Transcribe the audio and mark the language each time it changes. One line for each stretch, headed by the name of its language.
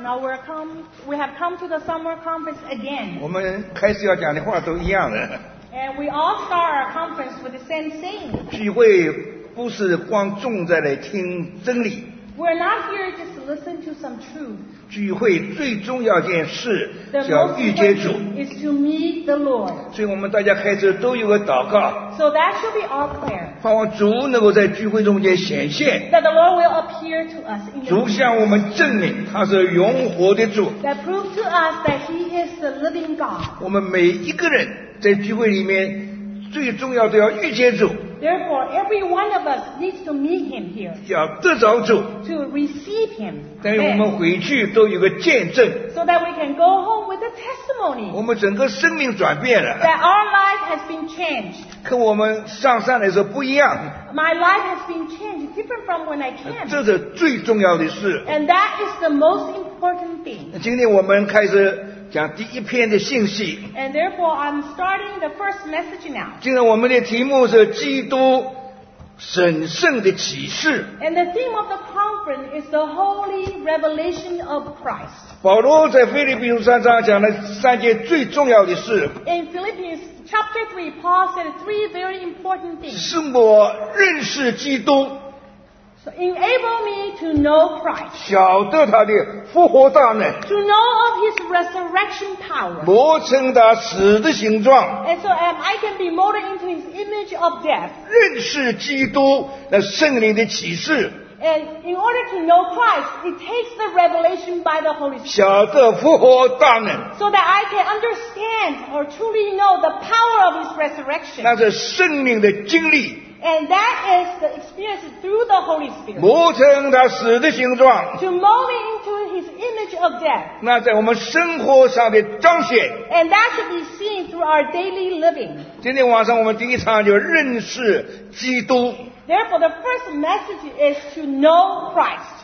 English: Now we have come to the summer conference again.
Chinese: 我们开始要讲的话都一样的。
English: And we all start our conference with the same thing.
Chinese: 聚会不是光重在来听真理。
English: We're not here just to listen to some truth.
Chinese: 聚会最重要件事是要遇见主。
English: Is to meet the Lord.
Chinese: 所以我们大家开车都有个祷告。
English: So that should be all clear.
Chinese: 盼望主能够在聚会中间显现。
English: That the Lord will appear to us.
Chinese: 主向我们证明他是永活的主。
English: That prove to us that He is the living God.
Chinese: 我们每一个人在聚会里面最重要都要遇见主。
English: Therefore, every one of us needs to meet him here.
Chinese: 要得着主。
English: To receive him.
Chinese: 但我们回去都有个见证。
English: So that we can go home with a testimony.
Chinese: 我们整个生命转变了。
English: That our life has been changed.
Chinese: 跟我们上山的时候不一样。
English: My life has been changed different from when I came.
Chinese: 这是最重要的事。
English: And that is the most important thing.
Chinese: 今天我们开始讲第一篇的信息。
English: And therefore, I'm starting the first message now.
Chinese: 今天我们的题目是基督神圣的启示。
English: And the theme of the conference is the holy revelation of Christ.
Chinese: 保罗在腓立比书3章讲了三件最重要的事。
English: In Philippians chapter 3, Paul said three very important things.
Chinese: 使我认识基督。
English: So enable me to know Christ.
Chinese: 晓得他的复活大能。
English: To know of his resurrection power.
Chinese: 磨成他死的形状。
English: And so I can be molded into his image of death.
Chinese: 认识基督那圣灵的启示。
English: And in order to know Christ, it takes the revelation by the Holy Spirit.
Chinese: 晓得复活大能。
English: So that I can understand or truly know the power of his resurrection.
Chinese: 那是圣灵的经历。
English: And that is the experience through the Holy Spirit.
Chinese: 磨成他死的形状。
English: To mold into his image of death.
Chinese: 那在我们生活上的彰显。
English: And that should be seen through our daily living.
Chinese: 今天晚上我们第一场就认识基督。
English: Therefore, the first message is to know Christ.